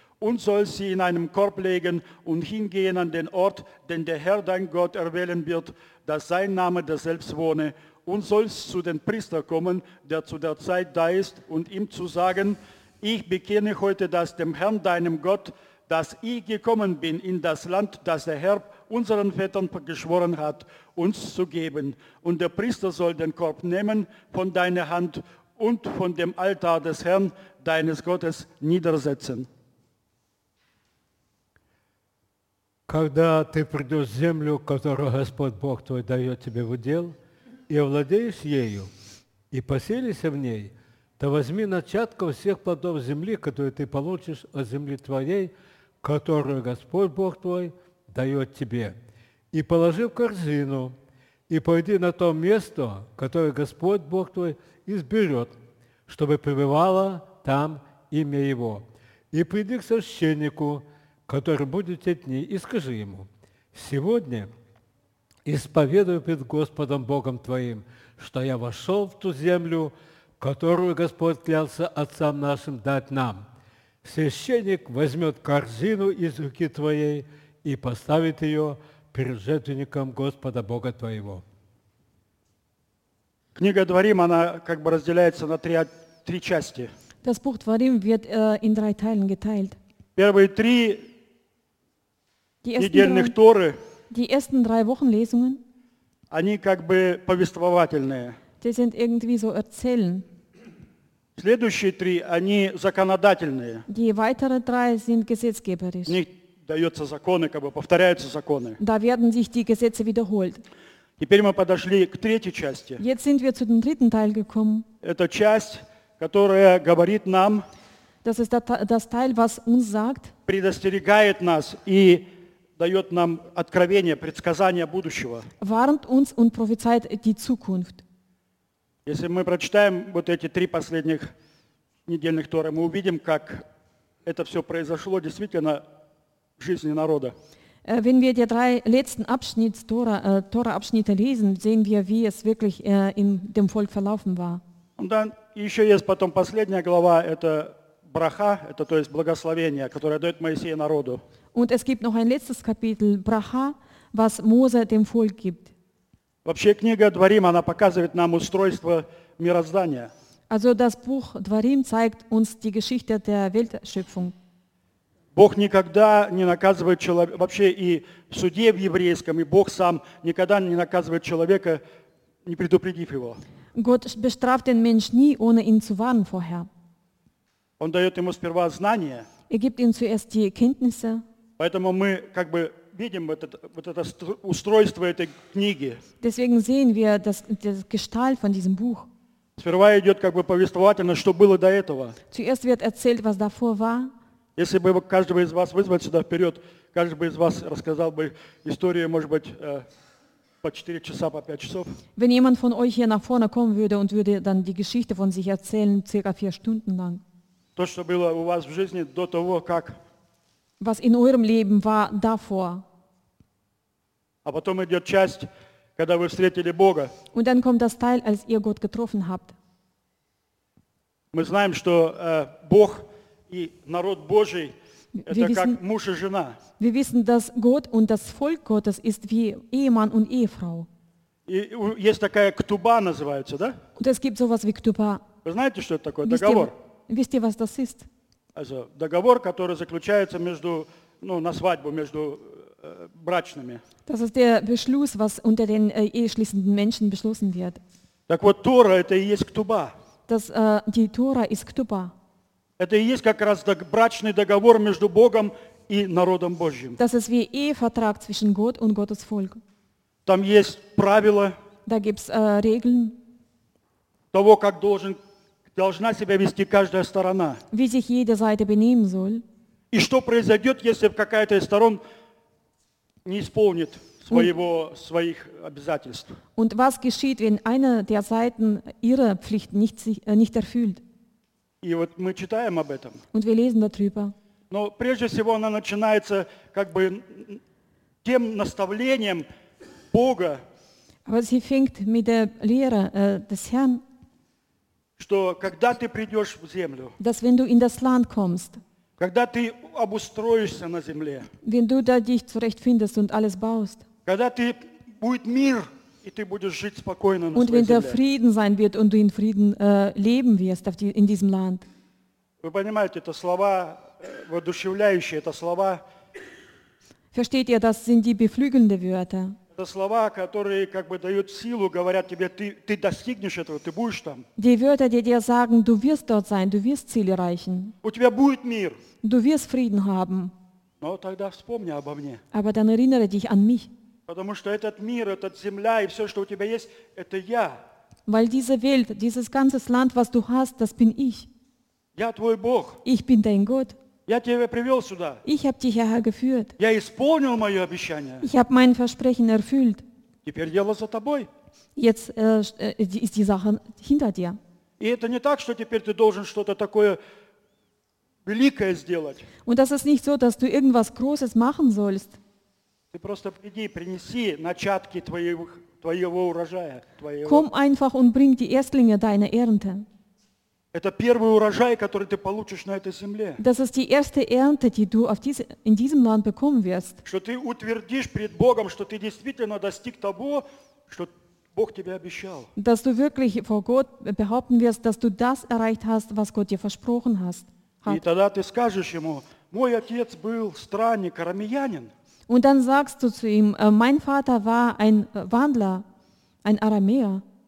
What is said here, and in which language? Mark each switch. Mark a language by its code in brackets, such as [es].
[de] und sollst sie in einem Korb legen und hingehen an den Ort, den der Herr, dein Gott, erwählen wird, dass sein Name dir selbst wohne, und sollst zu den Priester kommen, der zu der Zeit da ist, und ihm zu sagen, ich bekenne heute, dass dem Herrn, deinem Gott, dass ich gekommen bin in das Land, das der Herr unseren Vätern geschworen hat, uns zu geben. Und der Priester soll den Korb nehmen von deiner Hand und von dem Altar des Herrn, deines Gottes, niedersetzen. [ru] Когда ты придешь в землю, которую Господь Бог твой дает тебе в удел, и овладеешь ею, и поселишься в ней, то возьми начатков всех плодов земли, которые ты получишь от земли твоей, которую Господь Бог твой дает тебе, и положи в корзину, и пойди на то место, которое Господь Бог твой изберет, чтобы пребывало там имя Его. И приди к священнику, который будет в те дни, и скажи ему, сегодня исповедую пред Господом Богом твоим, что я вошел в ту землю, которую Господь клялся отцам нашим дать нам. Священник возьмет корзину из руки твоей и поставит ее перед жертвенником Господа Бога твоего. Книга Дворим, она как бы разделяется на три части. [de] Das Buch Dvarim wird in drei Teilen geteilt. [ru] Первые три недельных Торы, [de] die ersten drei Wochenlesungen, [ru] они как бы повествовательные. [de] Die sind irgendwie so erzählen. [ru] Следующие три, они законодательные. [de] Die weiteren drei sind gesetzgeberisch. [ru] В них даются законы, как бы повторяются законы. [de] Da werden sich die Gesetze wiederholt. [ru] Теперь мы подошли к третьей части. [de] Jetzt sind wir zu dem dritten Teil gekommen. [ru] Это часть, которая говорит нам. [de] Das ist das Teil, was uns sagt. [ru] Предостерегает нас и дает нам откровение, предсказание будущего. [de] Warnt uns und prophezeit die Zukunft. [ru] Если мы прочитаем вот эти три последних недельных Торы, мы увидим, как это все произошло действительно в жизни народа. [de] Wenn wir die drei letzten Tora-Abschnitte lesen, sehen wir, wie es wirklich in dem Volk verlaufen war. Und dann [ru] еще есть потом последняя глава, это Браха, это то есть благословение, которое дает Моисей народу. [de] Und es gibt noch ein letztes Kapitel, Браха, was Mose dem Volk gibt. [ru] Вообще книга Дворим, она показывает нам устройство мироздания. [de] Also das Buch Dvarim zeigt uns die Geschichte der Weltschöpfung. [ru] Бог никогда не наказывает человека, вообще и в суде в еврейском, и Бог сам никогда не наказывает человека, не предупредив его. [de] Gott bestraft den Mensch nie, ohne ihn zu warnen vorher. [ru] Он дает ему сперва знания. [de] Er gibt ihm zuerst die Kenntnisse. [ru] Поэтому мы как бы видим вот это устройство этой книги. [de] Deswegen sehen wir das Gestalt von diesem Buch. [ru] Сперва идет как бы повествовательно, что было до этого. [de] Zuerst wird erzählt, was davor war. [ru] Если бы каждого из вас вызвать сюда вперед, каждый бы из вас рассказал бы историю, может быть, по 4 часа, по 5 часов. [de] Wenn jemand von euch hier nach vorne kommen würde und würde dann die Geschichte von sich erzählen, circa 4 Stunden lang. [ru] То, что было у вас в жизни до того, как... [de] Was in eurem Leben war davor. [ru] А потом идет часть, когда вы встретили Бога. [de] Und dann kommt das Teil, als ihr Gott getroffen habt. [ru] Мы знаем, что Бог... И народ Божий это [de] wir wissen, [ru] как муж и жена. [de] Wir wissen, dass Gott und das Volk Gottes ist wie Ehemann und Ehefrau. [ru] И есть такая ктуба называется, да? [de] Und es gibt sowas wie ктуба. [ru] Вы знаете, что это такое? [de] Wisst [ru] договор. [de] Wisst ihr, was das ist? Also, [ru] договор, который заключается между, ну, на свадьбу, между брачными. [de] Das ist der Beschluss, was unter den eheschließenden Menschen beschlossen wird. [ru] Так вот, Тора это и есть ктуба. [de] Das, die Tora ist ктуба. [ru] Это и есть как раз брачный договор между Богом и народом Божьим. [de] Das ist wie Ehevertrag zwischen Gott und Gottes Volk. [ru] Там есть правила. [de] Da gibt's Regeln. [ru] Того, как должна себя вести каждая сторона. [de] Wie sich jede Seite benehmen soll. [ru] И что произойдет, если какая-то из сторон не исполнит своих обязательств. [de] Und was geschieht, wenn eine der Seiten ihre Pflicht nicht erfüllt? [ru] И вот мы читаем об этом. [de] Und wir lesen darüber. [ru] Но прежде всего она начинается как бы тем наставлением Бога. [de] Aber sie fängt mit der Lehre des Herrn. [ru] Что когда ты придешь в землю? [de] Dass wenn du in das Land kommst. [ru] Когда ты обустроишься на земле? [de] Wenn du da dich zurechtfindest und alles baust. [ru] Когда ты будет мир и ты будешь жить спокойно [de] und [ru] на своей земле. [de] Wird, und in Frieden, leben wirst in diesem Land. [ru] Вы понимаете, это слова воодушевляющие, это слова. [de] Versteht ihr, das sind die beflügelnde Wörter. [ru] Это слова, которые как бы дают силу, говорят тебе, ты достигнешь этого, ты будешь там. [de] Die Wörter, die dir sagen, du wirst dort sein, du wirst Ziel erreichen. [ru] У тебя будет мир. [de] Du wirst Frieden haben. [ru] Но тогда вспомни обо мне. [de] Aber dann erinnere dich an mich. [ru] Потому что этот мир, эта земля и все, что у тебя есть, это я. [de] Weil diese Welt, dieses ganze Land, was du hast, das bin ich. [ru] Я твой Бог. [de] Ich bin dein Gott. [ru] Я тебя привел сюда. [de] Ich habe dich hierher geführt. [ru] Я исполнил мое обещание. [de] Ich habe mein Versprechen erfüllt. [ru] Теперь дело за тобой. [de] Jetzt ist die Sache hinter dir. [ru] И это не так, что теперь ты должен что-то такое великое сделать. [de] Und das ist nicht so, dass du irgendwas Großes machen sollst. [ru] Ты просто приди, принеси начатки твоего урожая. Твоего. [de] Komm einfach und bring die Erstlinge deiner Ernte. [ru] Это первый урожай, который ты получишь на этой земле. [de] Das ist die erste Ernte, die du in diesem Land bekommen wirst. [ru] Что ты утвердишь перед Богом, что ты действительно достиг того, что Бог тебе обещал. [de] Dass du wirklich vor Gott behaupten wirst, dass du das erreicht hast, was Gott dir versprochen hat. [ru] И тогда ты скажешь ему, мой отец был странник, арамеянин. [de] Und dann sagst du zu ihm, mein Vater war ein Wandler, ein Aramäer.